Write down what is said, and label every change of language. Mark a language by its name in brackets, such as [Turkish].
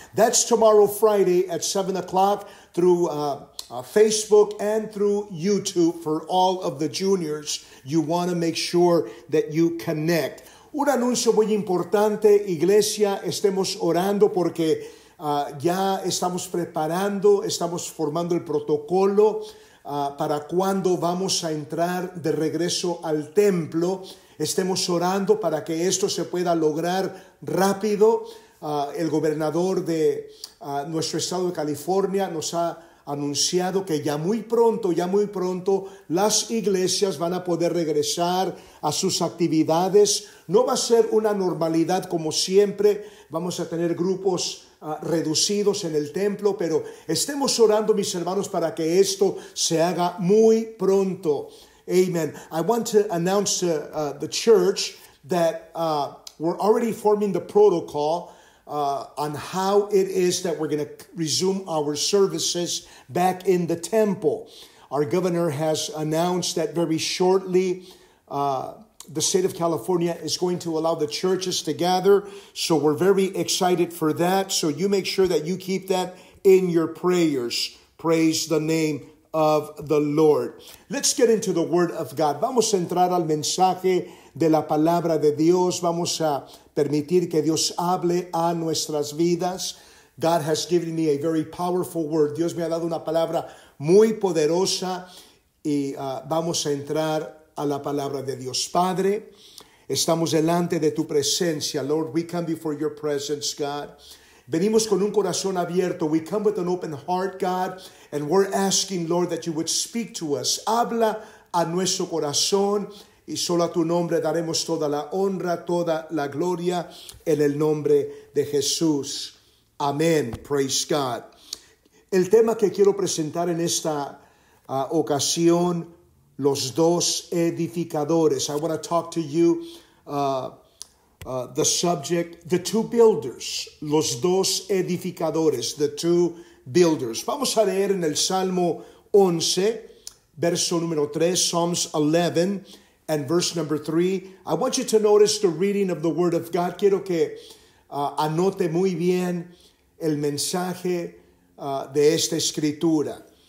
[English] That's tomorrow Friday at 7 o'clock through Facebook and through YouTube for all of the juniors. You want to make sure that you connect. [Spanish] Un anuncio muy importante, iglesia, estemos orando porque ya estamos preparando, estamos formando el protocolo para cuando vamos a entrar de regreso al templo. Estemos orando para que esto se pueda lograr rápido. El gobernador de nuestro estado de California nos ha anunciado que ya muy pronto, las iglesias van a poder regresar a sus actividades. No va a ser una normalidad como siempre. Vamos a tener grupos reducidos en el templo, pero estemos orando, mis hermanos, para que esto se haga muy pronto. Amen. [English] I want to announce to the church that we're already forming the protocol on how it is that we're going to resume our services back in the temple. Our governor has announced that very shortly the state of California is going to allow the churches to gather. So we're very excited for that. So you make sure that you keep that in your prayers. Praise the name of the Lord. Let's get into the word of God. [Spanish] Vamos a entrar al mensaje de la palabra de Dios. Vamos a permitir que Dios hable a nuestras vidas. [English] God has given me a very powerful word. [Spanish] Dios me ha dado una palabra muy poderosa y vamos a entrar a la palabra de Dios. Padre, Estamos delante de tu presencia, Lord. [English] We come before your presence, God. [Spanish] Venimos con un corazón abierto. [English] We come with an open heart, God. And we're asking, Lord, that you would speak to us. [Spanish] Habla a nuestro corazón. Y solo a tu nombre daremos toda la honra, toda la gloria en el nombre de Jesús. Amén. [English] Praise God. [Spanish] El tema que quiero presentar en esta ocasión, los dos edificadores. [English] I want to talk to you the subject, the two builders. [Spanish] Los dos edificadores, [English] the two builders. [Spanish] Vamos a leer en el Salmo 11, verso número 3, Psalms 11. [English] And verse number 3, I want you to notice the reading of the Word of God. [Spanish] Quiero que anote muy bien el mensaje de esta escritura.